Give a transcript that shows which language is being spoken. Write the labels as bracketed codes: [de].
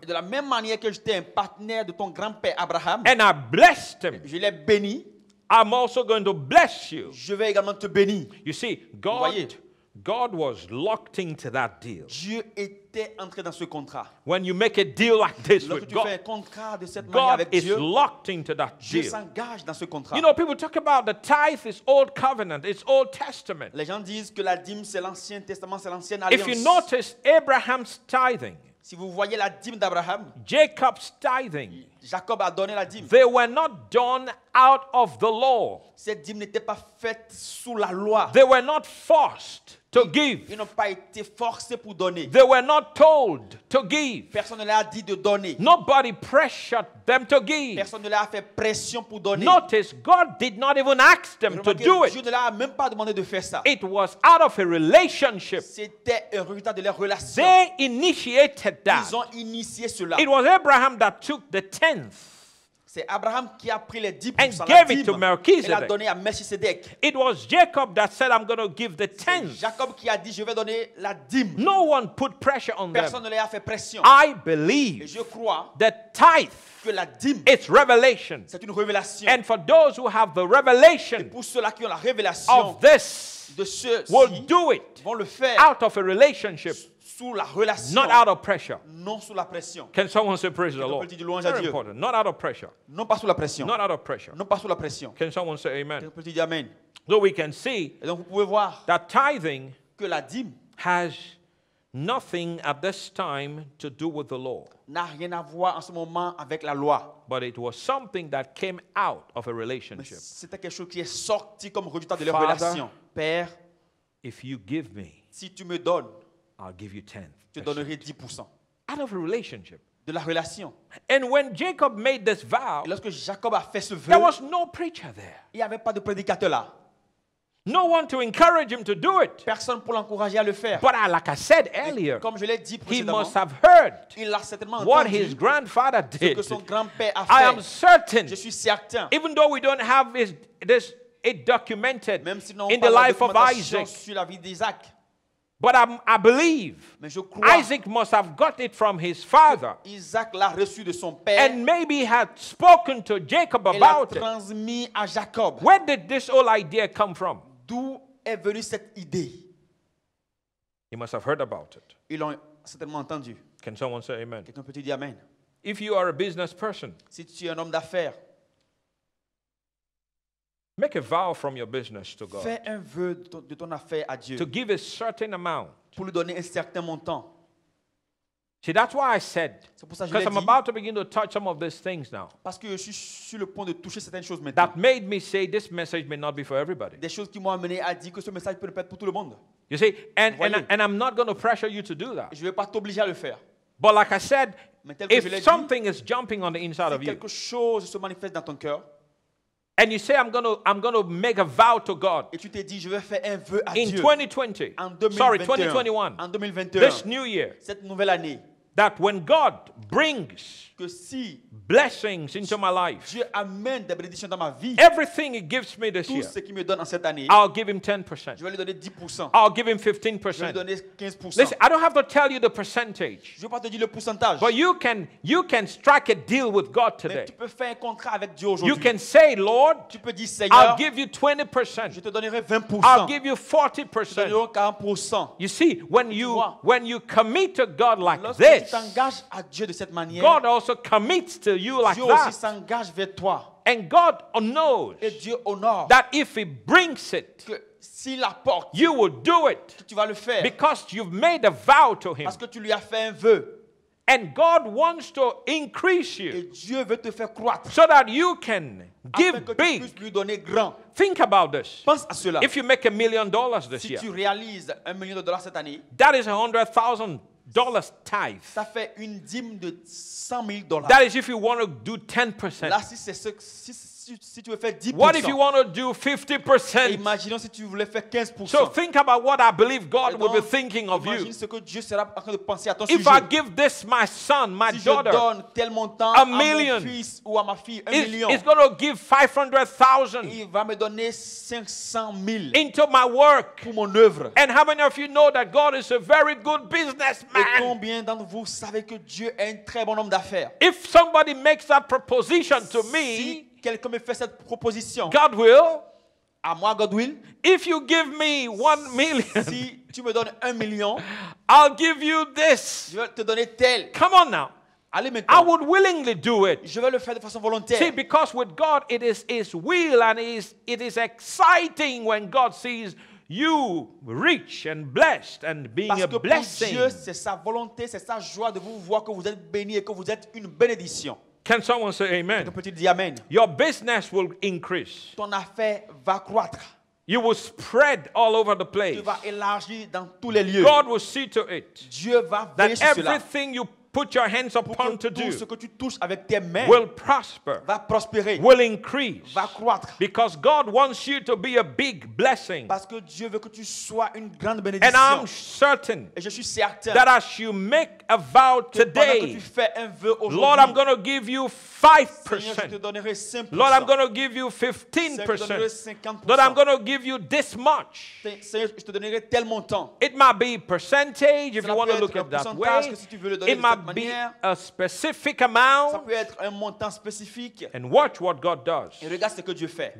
[fr] De la même manière que j'étais un partenaire de ton grand-père Abraham. [en] And I blessed him. [fr] Je l'ai béni. [en] I'm also going to bless you. [fr] Je vais également te bénir. [en] You see, God was locked into that deal. [fr] Dieu était entré dans ce contrat. [en] When you make a deal like this [fr] lorsque [en] with God, [fr] fais un contrat de cette [en] God [fr] manière avec [en] is [fr] Dieu, [en] locked into that [fr] Dieu [en] deal. [fr] S'engage dans ce contrat. [en] You know, people talk about the tithe is old covenant, it's old testament. [fr] Les gens disent que la dîme c'est l'ancien testament, c'est l'ancienne alliance. [en] If you notice Abraham's tithing, [fr] si vous voyez la dîme d'Abraham, [en] Jacob's tithing, [fr] Jacob a donné la dîme. [en] They were not done out of the law. [fr] Cette dîme n'était pas faite sous la loi. [en] They were not forced to give. [fr] Ils n'ont pas été forcés pour donner. [en] They were not told to give. [fr] Personne ne leur a dit de donner. [en] Nobody pressured them to give. [fr] Personne ne leur a fait pression pour donner. [en] Notice, God did not even ask them to do it. [fr] Dieu ne leur a même pas demandé de faire ça. [en] It was out of a relationship. [fr] C'était un résultat de leur relation. [en] They initiated that. [fr] Ils ont initié cela. [en] It was Abraham that took the tenth. [fr] C'est Abraham qui a pris les [en] 10% and gave it to Melchizedek. [fr] Et l'a donné à Melchizedek. [en] It was Jacob that said, "I'm going to give the tenth." [fr] Jacob qui a dit, je vais donner la dîme. [en] No one put pressure on [fr] personne Personne ne leur a fait pression. [en] I believe. [fr] Et je crois. [en] The tithe. [fr] Que la dîme. [en] It's revelation. [fr] C'est une révélation. [en] And for those who have the revelation. [fr] Et pour ceux-là qui ont la révélation. [en] Of this. [fr] De ceux-ci. [en] Will do it. [fr] Vont le faire. [en] Out of a relationship. [fr] Sous la relation, [en] not out of pressure. [fr] Non sous la pression. [en] Can someone say praise the Lord? [fr] Dire louange à Dieu. [en] Very important. Not out of pressure. [fr] Non pas sous la pression. [en] Not out of pressure. [fr] Non pas sous la pression. [en] Can someone say amen? [fr] Quelqu'un peut dire amen. [en] So we can see. [fr] Et donc vous pouvez voir [en] that tithing [fr] que la dîme [en] has nothing at this time to do with the law. [fr] N'a rien à voir en ce moment avec la loi. [en] But it was something that came out of a relationship. [fr] Mais c'était quelque chose qui est sorti comme résultat de leur relation. Père, [en] if you give me, [fr] si tu me donnes, [en] I'll give you 10%. [fr] Je donnerai 10%. [en] Out of a relationship. [fr] De la relation. [en] And when Jacob made this vow, [fr] et lorsque Jacob a fait ce vœu, [en] there was no preacher there. [fr] Il n'y avait pas de prédicateur là. [en] No one to encourage him to do it. [fr] Personne pour l'encourager à le faire. [en] But like I said earlier, [fr] comme je l'ai dit [en] he must have heard [fr] il a certainement [en] what his grandfather did. [fr] Ce que son grand-père a fait. [en] I am certain, [fr] je suis certain, [en] even though we don't have it documented [fr] même si [en] in the life of Isaac, [fr] sur la vie d'Isaac, [en] but I believe [fr] mais je crois [en] Isaac must have got it from his father. [fr] Isaac l'a reçu de son père, [en] and maybe had spoken to Jacob about [fr] l'a transmis à Jacob. [en] It. Where did this whole idea come from? [fr] D'où est venue cette idée? [en] He must have heard about it. [fr] Ils l'ont certainement entendu. [en] Can someone say amen? [fr] Quelqu'un peut-il dire amen? [en] If you are a business person, [fr] si tu es un homme d'affaires, [en] make a vow from your business to God. [fr] Fais un vœu de ton affaire à Dieu. [en] To give a certain amount. [fr] Pour lui donner un certain montant. [en] See, that's why I said, because I'm [fr] dit, [en] about to begin to touch some of these things now. [fr] Parce que je suis sur le point de toucher certaines choses maintenant. [en] That made me say this message may not be for everybody. [fr] Des choses qui m'ont amené à dire que ce message peut ne pas être pour tout le monde. [en] You see, and I'm not going to pressure you to do that. [fr] Je vais pas t'obliger à le faire. [en] But like I said, if something [fr] dit, [en] is jumping on the inside [fr] si [en] of you, [fr] quelque chose se manifeste dans ton cœur, [en] and you say I'm gonna make a vow to God. [fr] Et tu t'es dit je vais faire un vœu à Dieu. [en] In 2020. [fr] En 2021. [en] Sorry, 2021. [fr] En 2021. [en] This new year. [fr] Cette nouvelle année. [en] That when God brings [fr] que si [en] blessings into my life, [fr] Dieu amène des bénédictions dans ma vie, [en] everything he gives me this [fr] tout [en] year, [fr] ce qu'il me donne en cette année, [en] I'll give him 10%. [fr] Je vais lui donner 10%. [en] I'll give him 15%. [fr] Je vais lui donner 15%. [en] Listen, I don't have to tell you the percentage. [fr] Je vais pas te dire le pourcentage. [en] But you can strike a deal with God today. [fr] Mais tu peux faire un contrat avec Dieu aujourd'hui. [en] You can say, Lord, [fr] tu peux dire, Seigneur, [en] I'll give you 20%. [fr] Je te donnerai 20%. [en] I'll give you 40%. [fr] Je te donnerai 40%. [en] You see, when you commit to God like [fr] lorsque [en] this, [fr] tu t'engages à Dieu de cette manière, [en] God also commits to you like [fr] Dieu aussi S'engage vers toi. [en] And God knows [fr] et Dieu honore [en] that if he brings it, [fr] que s'il apporte, [en] you will do it [fr] que tu vas le faire. [en] Because you've made a vow to him. [fr] Parce que tu lui as fait un vœu. [en] And God wants to increase you [fr] et Dieu veut te faire croître [en] so that you can [fr] afin [en] give [fr] que tu [en] big. [fr] Puisses lui donner grand. [en] Think about this. [fr] Pense à cela. [en] If you make $1 million this [fr] si [en] year, [fr] tu réalises un million de dollars cette année, [en] that is $100,000 tithe. [fr] Ça fait une dîme de 100 000 dollars. [en] That is if you want to do 10%. [fr] Là, si c'est ce, si tu veux faire 10%. [en] What if you want to do 50%? [fr] Imaginons si tu voulais faire 15%. [en] So think about what I believe God [fr] donc, [en] will be thinking of you. [fr] Imagine ce que Dieu sera en train de penser à ton [en] if [fr] sujet. [en] If I give this my son, my [fr] si [en] daughter, [fr] je donne tel montant [en] a million, [fr] à mon fils ou à ma fille, un million, [en] it's going to give 500,000. [fr] Il va me donner 500 000 [en] into my work. [fr] Pour mon œuvre. [en] And how many of you know that God is a very good businessman? [fr] Et combien d'entre vous savez que Dieu est un très bon homme d'affaires? [en] If somebody makes that proposition to me, [fr] quelqu'un me fait cette proposition. [en] God will. [fr] À moi, [en] God will. If you give me 1 million, [fr] si tu me donnes 1 million, [en] I'll give you this. [fr] Je vais te donner tel. [en] Come on now. [fr] Allez maintenant. [en] I would willingly do it. [fr] Je vais le faire de façon volontaire. [en] See, because with God, it is His will, and it is exciting when God sees you rich and blessed and being a blessing. [fr] Parce que pour Dieu, c'est sa volonté, c'est sa joie de vous voir que vous êtes béni et que vous êtes une bénédiction. [en] Can someone say amen? [fr] Peut-il dire amen? [en] Your business will increase. [fr] Ton affaire va croître. [en] You will spread all over the place. [fr] Tu vas élargir dans tous les lieux. [en] God will see to it. [fr] Dieu va [en] that [fr] veiller [en] everything [fr] cela. [en] You put your hands upon to do [fr] ce que tu touches avec tes mains [en] will prosper. [fr] Va prospérer. [en] Will increase. [fr] Va croître. [en] Because God wants you to be a big blessing. [fr] Parce que Dieu veut que tu sois une grande bénédiction. [en] And I'm certain. [fr] Et je suis certain. [en] That as you make a vow today, [fr] que tu fais un vœu aujourd'hui, [en] Lord, I'm going to give you 5%. [fr] Seigneur, je te donnerai 5%. [en] Lord, I'm going to give you 15%. [fr] Seigneur, je te donnerai [en] 50%. Lord, I'm going to give you this much. [fr] Seigneur, je te donnerai tel montant. [en] It might be percentage if you want to look at that way. [fr] Que si tu veux le donner [en] it might [fr] cette [en] be [fr] manière. [en] A specific amount. [fr] Ça peut être un montant spécifique. [en] And watch what God does. [fr] Et regarde ce que Dieu fait.